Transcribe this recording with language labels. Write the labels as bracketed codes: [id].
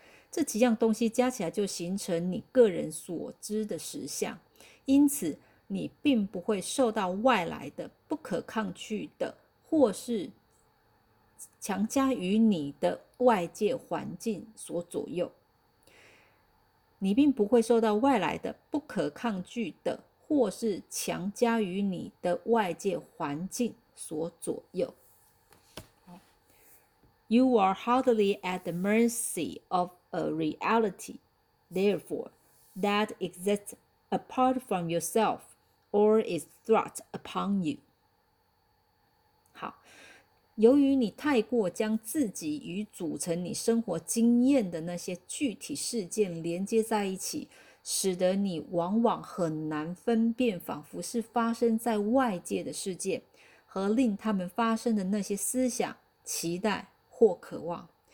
[zh] 这几样东西加起来就形成你个人所知的实相，因此你并不会受到外来的不可抗拒的或是强加于你的外界环境所左右。你并不会受到外来的不可抗拒的或是强加于你的外界环境所左右。 [en] You are hardly at the mercy of a reality, therefore, that exists apart from yourself or is thrust upon you. [zh] 好，由于你太过将自己与组成你生活经验的那些具体事件连接在一起，使得你往往很难分辨仿佛是发生在外界的事件和令他们发生的那些思想、期待或渴望。